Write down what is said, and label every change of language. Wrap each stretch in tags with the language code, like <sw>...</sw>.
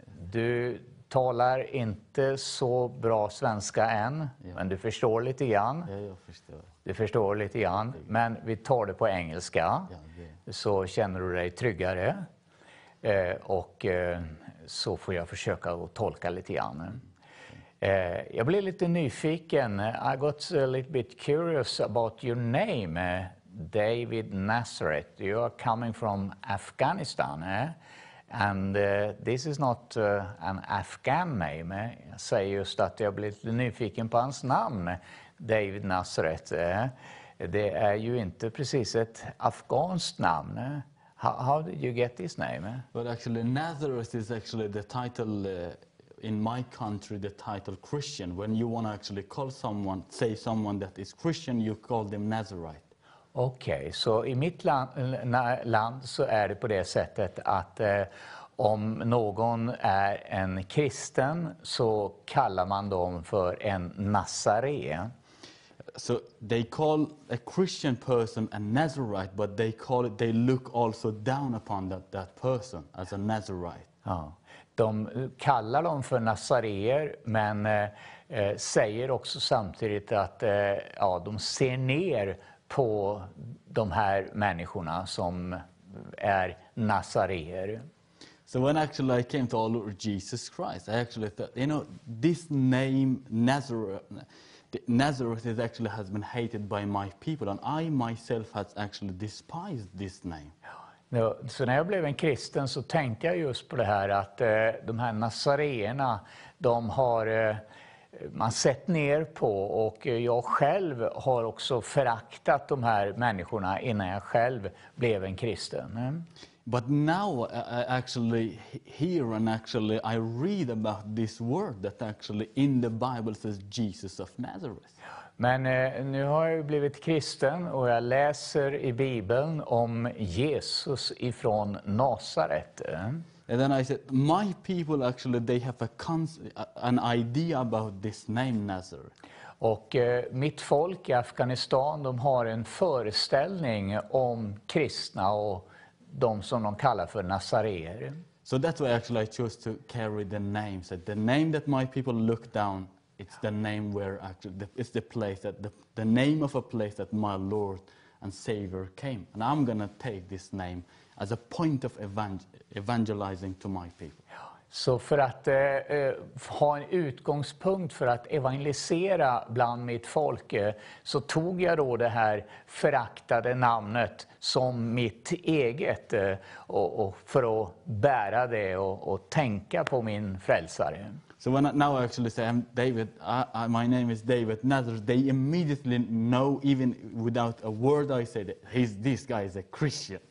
<sv>Du talar inte så bra svenska än, men du förstår lite grann. Du förstår lite grann, men vi tar det på engelska, så känner du dig tryggare. Och så får jag försöka att tolka lite grann. Jag blev lite nyfiken.</sv> <en>I got a little bit curious about your name, David Nazareth. You are coming from Afghanistan, and this is not an Afghan name.</en> <sv>Jag säger just att jag blev lite nyfiken på hans namn. David Nazareth, det är ju inte precis ett afghanskt namn.</sv> <en>How did you get this name? But actually, Nazareth is actually the title in my country, the title Christian. When you want to actually call someone, say someone that is Christian, you call them Nazarite.</en> <sv>Okay, så so i mitt land så är det på det sättet att om någon är en kristen så kallar man dem för en Nazare.</sv> <en>So they call a Christian person a Nazarite, but they call it, they look also down upon that person as a Nazarite.</en> <sv>Ja. De kallar dem för nazareer, men säger också samtidigt att de ser ner på de här människorna som är nazareer.</sv> <en>So when actually I came to our Lord Jesus Christ, I actually thought, you know, this name Nazareth, Nazareth is actually has been hated by my people, and I myself has actually despised this name.</en> <sv>No, så när jag blev en kristen så tänkte jag just på det här att de här nazareerna, de har man sett ner på, och jag själv har också föraktat de här människorna innan jag själv blev en kristen.</sv> <en>But now I actually hear and actually I read about this word that actually in the Bible says Jesus of Nazareth.</en> <sv>Men nu har jag blivit kristen och jag läser i Bibeln om Jesus ifrån Nazaret.</sv> <en>And then I said, my people actually they have an idea about this name Nazareth.</en> <sv>Och mitt folk i Afghanistan, de har en föreställning om kristna och de som de kallar för nazareer.</sv> <en>So that's why actually I chose to carry the name. So the name that my people look down, it's the name where actually it's the place that the name of a place that my Lord and Savior came. And I'm gonna take this name as a point of evangelizing to my people.</en> <sv>Så för att ha en utgångspunkt för att evangelisera bland mitt folk så tog jag då det här föraktade namnet som mitt eget och för att bära det och tänka på min frälsare.</sv> <en>So when I, now I actually say I'm David, I my name is David Nazareth, they immediately know even without a word I said he's this guy is a Christian.</en>